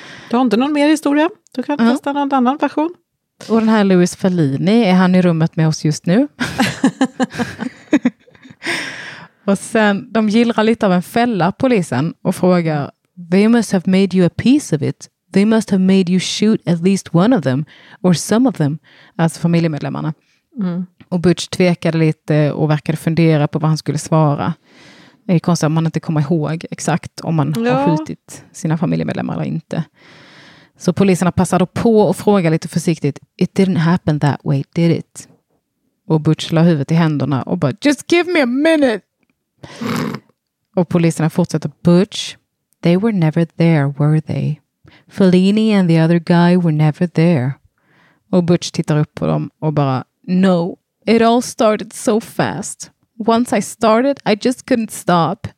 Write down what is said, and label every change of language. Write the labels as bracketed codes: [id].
[sv] Du har inte någon mer historia? Du kan testa någon annan version. Och den här Louis Fellini, är han i rummet med oss just nu? Och sen, de gillrar lite av en fälla polisen och frågar, [en] they must have made you a piece of it. They must have made you shoot at least one of them or some of them. [sv] Alltså familjemedlemmarna. Mm. Och Butch tvekade lite och verkade fundera på vad han skulle svara. Det är konstigt att man inte kommer ihåg exakt om man har skjutit sina familjemedlemmar eller inte. Så poliserna passade på och frågade lite försiktigt, [en] it didn't happen that way, did it? [sv] Och Butch la huvudet i händerna och bara, [en] just give me a minute. [sv] Och poliserna fortsätter, [en] Butch, they were never there, were they? Fellini and the other guy were never there. [sv] Och Butch tittar upp på dem och bara, [en] no, it all started so fast. Once I started, I just couldn't stop.